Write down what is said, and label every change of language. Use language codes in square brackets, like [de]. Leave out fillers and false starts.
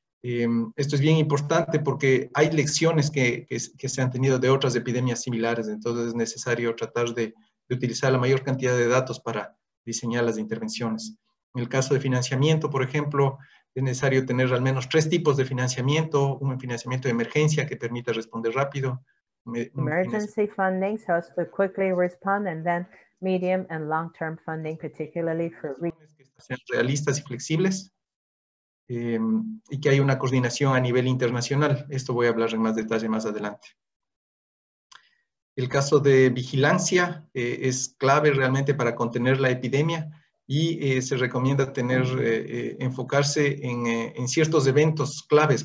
[es] Esto es bien importante porque hay lecciones que se han tenido de otras epidemias similares, entonces es necesario tratar de utilizar la mayor cantidad de datos para diseñar las intervenciones. En el caso de financiamiento, por ejemplo, es necesario tener al menos 3 tipos de financiamiento: un financiamiento de emergencia que permita responder rápido. [en] Emergency funding, so as to quickly respond, and then medium and long-term funding, particularly for [es] que sean realistas y flexibles, y que hay una coordinación a nivel internacional. Esto voy a hablar en más detalle más adelante. El caso de vigilancia es clave realmente para contener la epidemia, y se recomienda enfocarse en ciertos eventos claves.